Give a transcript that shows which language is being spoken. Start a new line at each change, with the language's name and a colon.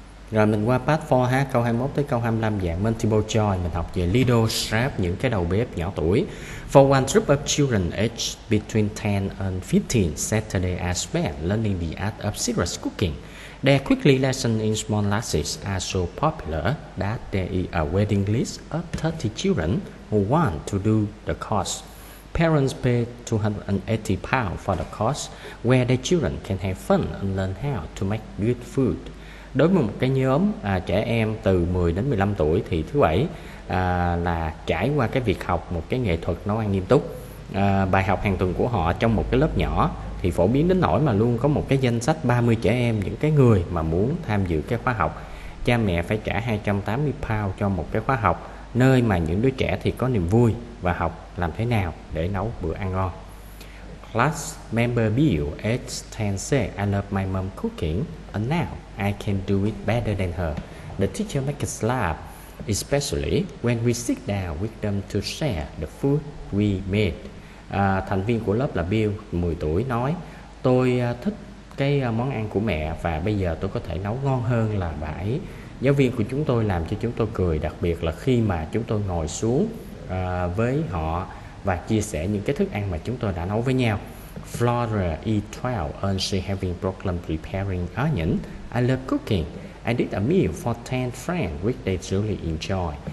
Vietnamese: Rồi mình qua part 4 ha, câu 21 tới câu 25 dạng multiple choice, mình học về Lido Strap, những cái đầu bếp nhỏ tuổi.
English: For one group of children aged between 10 and 15, Saturday are spent learning the art of serious cooking. Their quickly lessons in small classes are so popular that there is a waiting list of 30 children who want to do the course. Parents pay £280 for the course where their children can have fun and learn how to make good food.
Vietnamese: Đối với một cái nhóm trẻ em từ 10 đến 15 tuổi thì thứ bảy là trải qua cái việc học một cái nghệ thuật nấu ăn nghiêm túc. Bài học hàng tuần của họ trong một cái lớp nhỏ thì phổ biến đến nỗi mà luôn có một cái danh sách 30 trẻ em, những cái người mà muốn tham dự cái khóa học. Cha mẹ phải trả £280 cho một cái khóa học nơi mà những đứa trẻ thì có niềm vui và học làm thế nào để nấu bữa ăn ngon.
English: Class member Bill at 10 said, I love my mom cooking and now I can do it better than her. The teacher makes us laugh, especially when we sit down with them to share the food we made.
Vietnamese: Thành viên của lớp là Bill, 10 tuổi, nói, tôi thích cái món ăn của mẹ và bây giờ tôi có thể nấu ngon hơn là bà ấy. Giáo viên của chúng tôi làm cho chúng tôi cười, đặc biệt là khi mà chúng tôi ngồi xuống với họ và chia sẻ những cái thức ăn mà chúng tôi đã nấu với nhau.
English: Flora is 12 and she having problem preparing onion. I love cooking. I did a meal for 10 friends which they truly enjoy.